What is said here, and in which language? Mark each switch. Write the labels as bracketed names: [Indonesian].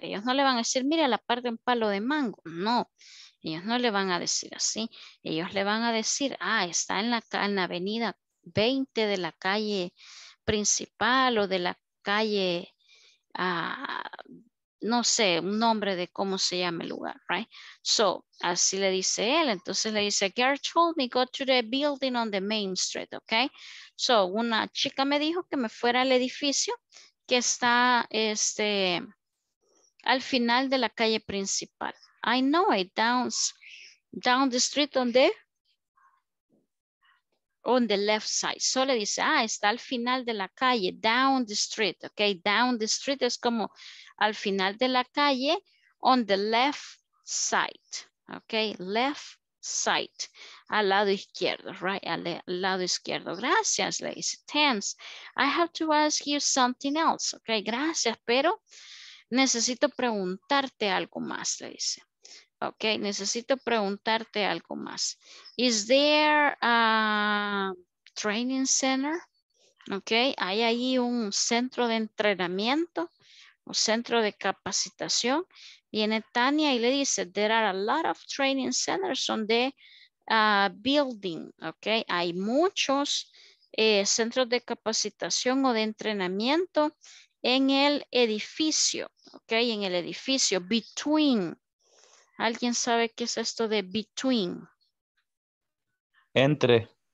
[Spanish] Ellos no le van a decir, mire, a la par de un palo de mango. No, ellos no le van a decir así. Ellos le van a decir, ah, está en la avenida 20 de la calle principal o de la calle, no sé, un nombre de cómo se llama el lugar, right? So, así le dice él. Entonces le dice, [English] Gert told me go to the building on the main street, okay? [Spanish] So, una chica me dijo que me fuera al edificio que está al final de la calle principal. [English] I know it, down the street on the left side. [Spanish] So le dice, ah, está al final de la calle, [English] down the street, okay? Down the street [Spanish] es como al final de la calle, [English] on the left side, okay? Left side, [Spanish] al lado izquierdo, right? Al lado izquierdo. Gracias, le dice, thanks. [English] I have to ask you something else, okay? [Spanish] Gracias, pero necesito preguntarte algo más, le dice. [English] Okay, [Spanish] necesito preguntarte algo más. [English] Is there a training center? [Spanish] Okay, ¿hay ahí un centro de entrenamiento o centro de capacitación? Viene Tania y le dice, [English] there are a lot of training centers on the building. [Spanish] Okay, hay muchos centros de capacitación o de entrenamiento en el edificio. Okay, en el edificio between. ¿Alguien sabe qué es esto de between? Entre.